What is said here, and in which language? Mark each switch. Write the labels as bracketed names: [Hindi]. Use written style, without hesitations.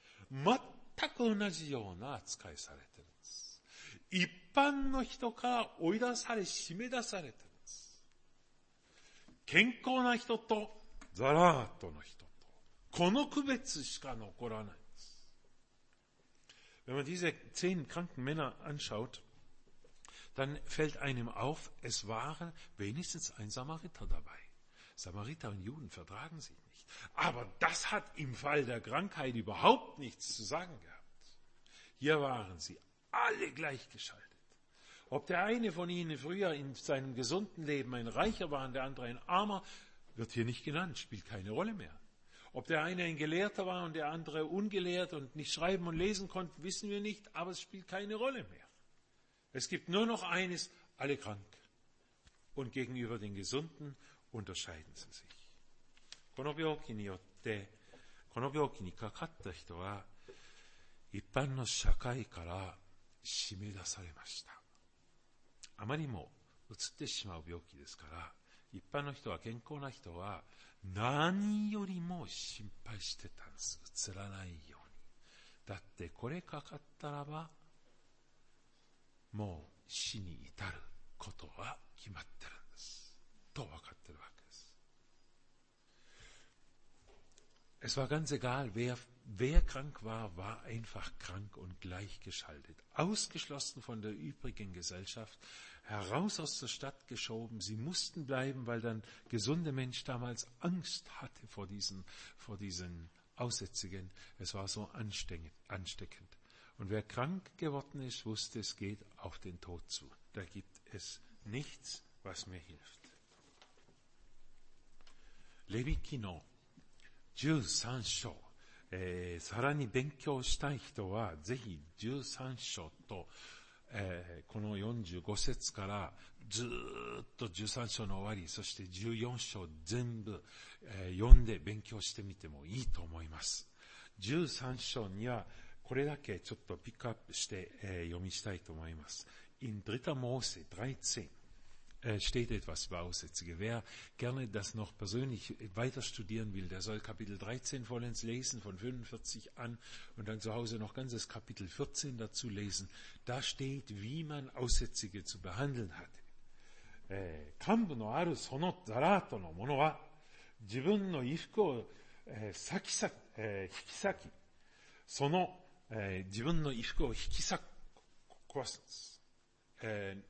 [Japanese] 全く同じような扱いされてるんです。一般の人から追い出され、締め出されてるんです。健康な人とザラートの人と、この区別しか残らないんです。 [German] Wenn man diese 10 kranken Männer anschaut, dann fällt einem auf, es waren wenigstens ein Samariter dabei. Samariter und Juden vertragen sich nicht. Aber das hat im Fall der Krankheit überhaupt nichts zu sagen gehabt. Hier waren sie alle gleichgeschaltet. Ob der eine von ihnen früher in seinem gesunden Leben ein Reicher war und der andere ein Armer, wird hier nicht genannt, spielt keine Rolle mehr. Ob der eine ein Gelehrter war und der andere ungelehrt und nicht schreiben und lesen konnte, wissen wir nicht, aber es spielt keine Rolle mehr. Es gibt nur noch eines, alle krank. Und gegenüber den Gesunden unterscheiden sie sich. [Japanese] この病気によって、この病気にかかった人は、一般の社会から締め出されました。あまりもうつってしまう病気ですから、一般の人は、健康な人は、何よりも心配してたんです。うつらないように。だってこれかかったらばもう死に至ることは決まってるんですと分かってるわけです。 [German] Es war ganz egal wer krank war einfach krank und gleichgeschaltet, ausgeschlossen von der übrigen Gesellschaft, heraus aus der Stadt geschoben. Sie mussten bleiben, weil dann gesunde Mensch damals Angst hatte vor diesen Aussätzigen. Es war so ansteckend. Und wer krank geworden ist, wusste, es geht auf den Tod zu. Da gibt es nichts, was mir hilft. [Japanese] Levikino 13 章。さらに勉強したい人はぜひ13章と、この45節からずっと13章の終わり、そして14章全部、読んで勉強してみてもいいと思います。 13章にはこれだけちょっとピックアップして、読みしたいと思います。 [German] In dritter Mose 13steht etwas über Aussätzige. Wer gerne das noch persönlich weiter studieren will, der soll Kapitel 13 vollends lesen, von 45 an, und dann zu Hause noch ganzes Kapitel 14 dazu lesen. Da steht, wie man Aussätzige zu behandeln hat. [Japanese] 幹部のあるそのザラートの者は、自分の衣服を引き裂き、その自分の衣服を引き裂く、壊すんです。